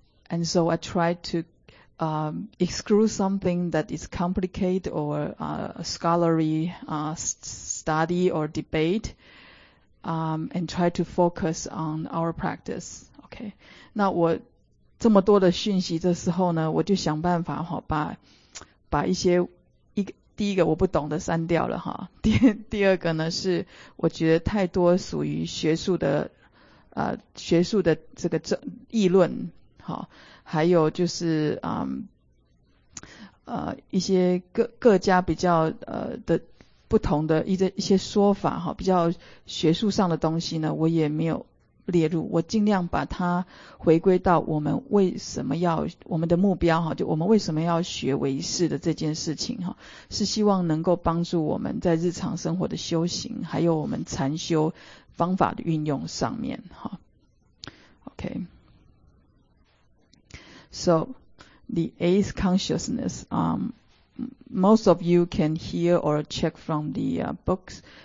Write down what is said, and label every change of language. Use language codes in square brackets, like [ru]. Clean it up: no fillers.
[en] And so I try to, exclude something that is complicated or, scholarly, study or debate, and try to focus on our practice. Okay. [zh] 那我这么多的讯息的时候呢，我就想办法哈，把一些第一个我不懂的删掉了哈。第二个呢是我觉得太多属于学术的学术的这个议论哈，还有就是一些各家比较的不同的一些说法哈，比较学术上的东西呢，我也没有列入，我尽量把它回归到我们为什么要我们的目标哈，就我们为什么要学唯识的这件事情哈，是希望能够帮助我们在日常生活的修行，还有我们禅修方法的运用上面哈。 [en] OK, so the eighth consciousness, most of you can hear or check from the books.